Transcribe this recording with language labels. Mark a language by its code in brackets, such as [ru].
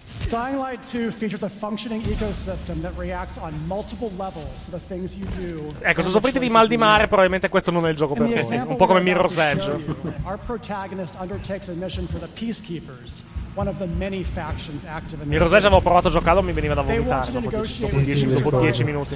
[en] Dying Light 2 features a functioning ecosystem that reacts on multiple levels to the things you do. [it] Ecco, se soffrite di mal di mare, probabilmente questo non è il gioco per voi. Un po' come Mirror's Edge. [en] Our protagonist undertakes a mission for the Peacekeepers, one of the many factions active in the [it] Mirror's Edge. Avevo provato a giocarlo, mi veniva da vomitare dopo 10 minuti.